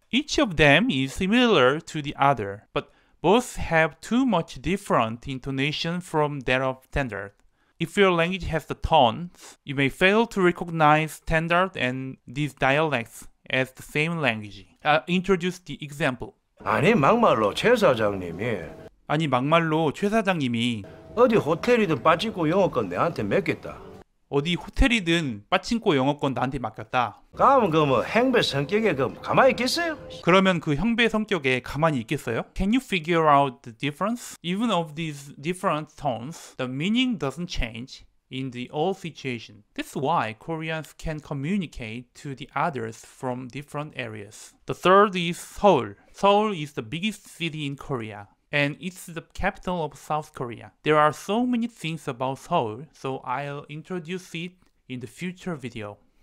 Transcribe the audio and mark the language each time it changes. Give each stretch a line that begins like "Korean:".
English: Each of them is similar to the other, but both have too much different intonation from that of standard. If your language has the tones, you may fail to recognize standard and these dialects as the same language. I'll introduce the example.
Korean: 아니 막말로 최 사장님이 아니 막말로 최 사장님이 어디 호텔이든 빠지고 영어권 내한테 맡겼다. 어디 호텔이든 빠친코 영어권 나한테 맡겼다. 그럼 그 뭐 형배 성격에 그 가만히 있겠어요? 그러면 그 형배 성격에 가만히 있겠어요?
English: Can you figure out the difference? Even of these different tones, the meaning doesn't change in the all situation. That's why Koreans can communicate to the others from different areas. The third is Seoul. Seoul is the biggest city in Korea. And it's the capital of South Korea. There are so many things about Seoul, so I'll introduce it in the future video.